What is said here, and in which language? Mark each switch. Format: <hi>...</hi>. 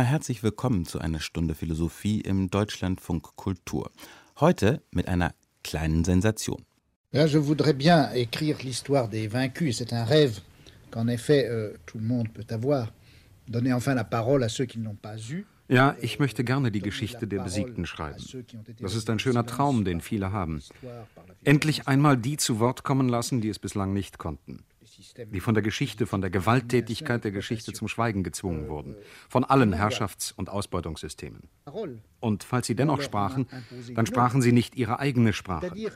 <de>Herzlich willkommen zu einer Stunde Philosophie im Deutschlandfunk Kultur. Heute mit einer kleinen Sensation.</de> <fr>Ja, je voudrais bien écrire l'histoire des vaincus. C'est un rêve qu'en effet tout le monde peut avoir. Donner enfin la parole à ceux qui ne l'ont pas eu.</fr> <de>Ja, ich möchte gerne die Geschichte der Besiegten schreiben. Das ist ein schöner Traum, den viele haben. Endlich einmal die zu Wort kommen lassen, die es bislang nicht konnten. Die von der Geschichte, von der Gewalttätigkeit der Geschichte zum Schweigen gezwungen wurden. Von allen Herrschafts- und Ausbeutungssystemen. Und falls sie dennoch sprachen, dann sprachen sie nicht ihre eigene Sprache.</de>